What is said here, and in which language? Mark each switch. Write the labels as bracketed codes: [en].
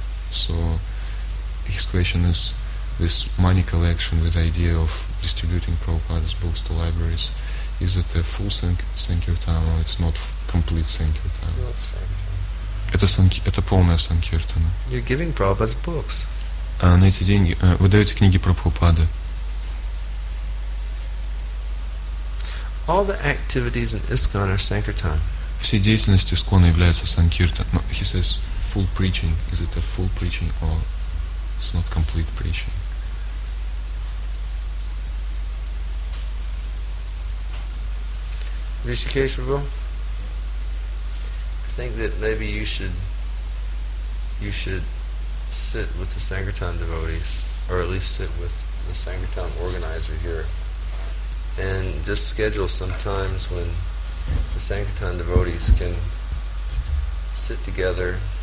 [en] So his question is, this money collection with the idea of distributing Prabhupada's books to libraries, is it a full sankirtan or it's not complete sankirtan? [ru] Это полная санкиртана. [en] You're giving Prabhupada's books. [ru] На эти деньги вы даете книги Прабхупады. [en] All the activities in ISKCON are sankirtan. [ru] Все деятельности ISKCON являются санкиртан. [en] No, he says full preaching. Is it a full preaching or it's not complete preaching? Rishikesh Prabhu, I think that maybe you should sit with the Sangatan devotees, or at least sit with the Sangatan organizer here, and just schedule some times when the Sangatan devotees can sit together.